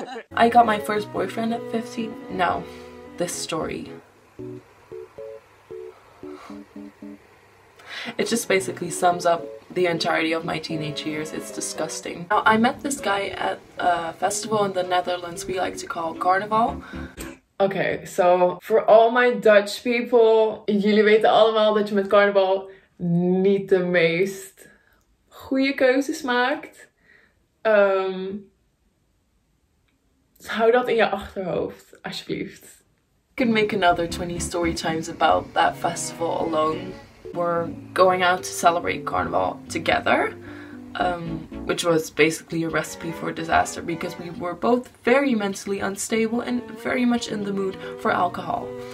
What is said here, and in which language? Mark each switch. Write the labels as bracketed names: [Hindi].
[English] I got my first boyfriend at 15. No, this story. It just basically sums up the entirety of my teenage years. It's disgusting. Now, I met this guy at a festival in the Netherlands we like to call Carnival. Okay, so for all my Dutch people, [Dutch] jullie weten allemaal dat je met Carnival niet de meest goede keuzes maakt. Hou dat in je achterhoofd, alsjeblieft. [English] I can make another 20 story times about that festival alone. We're going out to celebrate Carnival together, which was basically a recipe for disaster because we were both very mentally unstable and very much in the mood for alcohol.